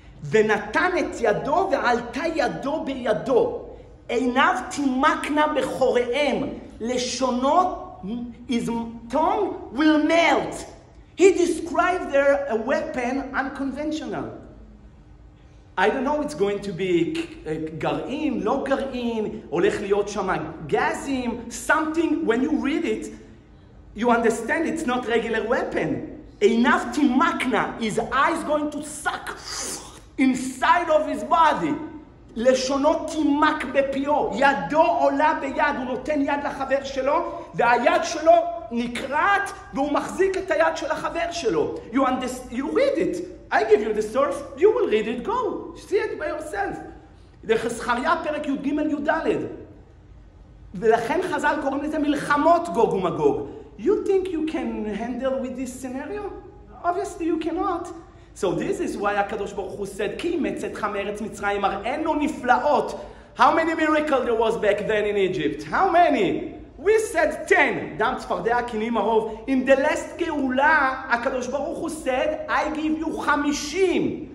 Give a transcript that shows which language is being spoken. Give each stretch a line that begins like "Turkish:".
Hebrew: ונתן את ידו ועלתה ידו בידו. עיניו תימקנה בחוריהם. לשונו,
English: his tongue will melt. He described there a weapon unconventional. I don't know, it's going to be
Hebrew: גרעין, לא גרעין, הולך להיות שם גזים,
English: something, when you read it, you understand it's not regular weapon.
Hebrew: עיניו תימקנה,
English: his eyes going to suck inside of his body.
Hebrew: לשונו תימק בפיו, ידו עולה ביד, הוא נותן יד לחבר שלו, והיד שלו נקרעת, והוא מחזיק את היד של החבר שלו.
English: You read it, I give you the source, you will read it, go, see it by yourself.
Hebrew: דרך זכריה פרק י' ג' י' ד'. ולכן חז"ל קוראים לזה מלחמות גוג ומגוג.
English: You think you can handle with this scenario? Obviously you cannot. So this is why HaKadosh Baruch Hu said,
Hebrew: Ki metzetcha me'eretz Mitzrayim, ar'enu niflaot.
English: How many miracles there was back then in Egypt? How many? We said 10.
Hebrew: Dam tzfardeh akinim arov.
English: In the last geula, HaKadosh Baruch Hu said, I give you 50.